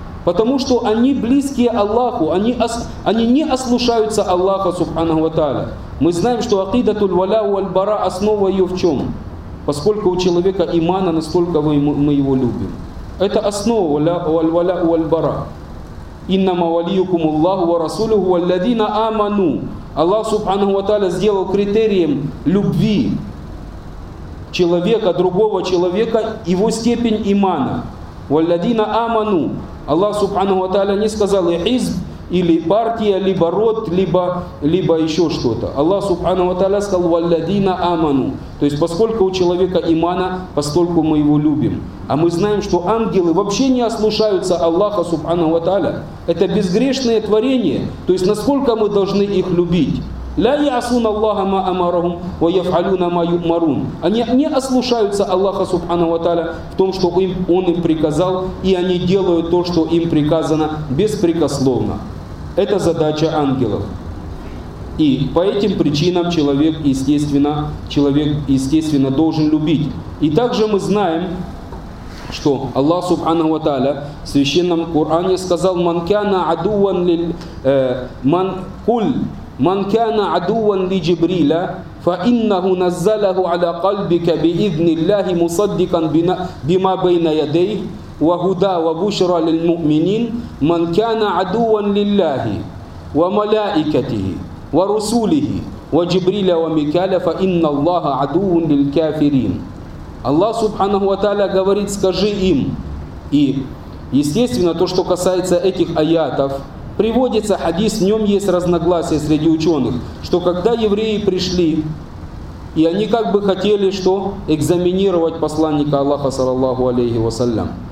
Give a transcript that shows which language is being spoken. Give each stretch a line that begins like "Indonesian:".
Russian: Потому что они близкие Аллаху. Они не ослушаются Аллаха, субханаху ва тааля. Мы знаем, что акидату аль-валяу валь-бара, основа ее в чем? Поскольку у человека имана, насколько мы его любим. Это основа аль-валяу валь-бара.
Arabic: إنما وليكم الله ورسوله والذين آمنوا. الله سبحانه وتعالى
Russian: сделал критерием любви человека, другого человека, его степень имана.
Arabic: والذين آمنوا. الله سبحانه وتعالى
Russian: не сказал حزب или партия, либо род, либо еще что-то. Аллах Субхану ва Тааля сказал
Arabic: «Валладина аману».
Russian: То есть, поскольку у человека имана, постольку мы его любим. А мы знаем, что ангелы вообще не ослушаются Аллаха Субхану ва Тааля. Это безгрешное творение. То есть, насколько мы должны их любить?
Arabic: «Ля ясун Аллаха ма амарахум, ва яфалюна ма юмарун».
Russian: Они не ослушаются Аллаха Субхану ва Тааля в том, что Он им приказал, и они делают то, что им приказано, беспрекословно. Это задача ангелов. И по этим причинам человек, естественно, должен любить. И также мы знаем, что Аллах Субхану ва Тааля в Священном Коране сказал
Arabic: «Ман кяна адуван лиль ман куль». من كان عدوا لجبريل فإنه نزله على قلبك بإذن الله مصدقا بما بين يديه وهدى وبشرى للمؤمنين من كان عدوا لله وملائكته ورسوله وجبريل وميكائيل فإن الله عدو للكافرين. الله سبحانه وتعالى
Russian: говорит: скажи им. И естественно, то, что касается этих аятов, приводится хадис, в нем есть разногласия среди ученых, что когда евреи пришли, и они как бы хотели, что экзаминировать посланника Аллаха, саллаллаху алейхи вассалям.